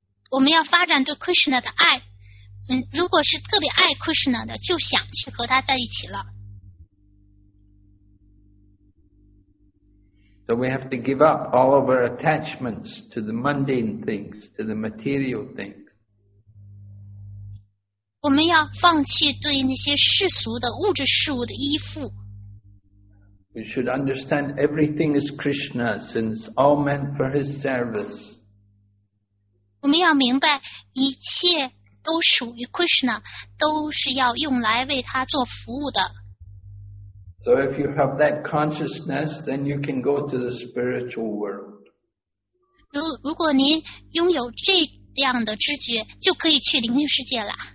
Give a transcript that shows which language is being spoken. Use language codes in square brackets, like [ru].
[zh] 我们要发展对 Krishna 的爱，如果是特别爱 Krishna 的，就想去和他在一起了。 [en] So we have to give up all of our attachments to the mundane things, to the material things. [zh] 我们要放弃对那些世俗的物质事物的依附。 [en] We should understand everything is Krishna, since all meant for his service. [zh] 我们要明白一切都属于 Krishna, 都是要用来为他做服务的。 [en] So if you have that consciousness, then you can go to the spiritual world. [zh] 如果您拥有这样的知觉，就可以去灵性世界了。